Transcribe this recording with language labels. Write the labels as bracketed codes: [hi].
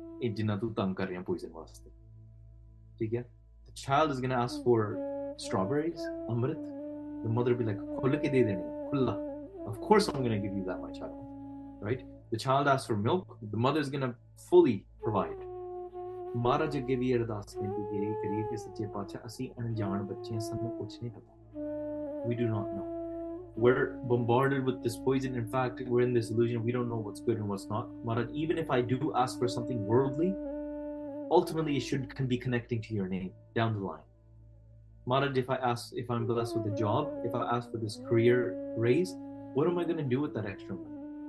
[en] The child is going to ask for strawberries, amrit. The mother will be like, [pa] khula ke de dene, khula. [en] Of course I'm going to give you that, my child. Right? The child asks for milk, the mother is going to fully provide. [pa] ਮਹਾਰਾਜ ਅੱਗੇ ਵੀ ਅਰਦਾਸ ਕਹਿੰਦੀ ਗਈ ਕਰੀਏ ਕਿ ਸੱਚੇ ਪਾਤਸ਼ਾਹ ਅਸੀਂ ਅਣਜਾਣ ਬੱਚੇ ਹਾਂ, ਸਾਨੂੰ ਕੁਛ ਨਹੀਂ ਪਤਾ, [en] We do not know, we're bombarded with this poison. In fact, we're in this illusion. We don't know what's good and what's not. Maharaj, even if I do ask for something worldly, ultimately it should can be connecting to your name down the line. Maharaj, if I ask, if I'm blessed with a job, if I ask for this career raise, what am I going to do with that extra money?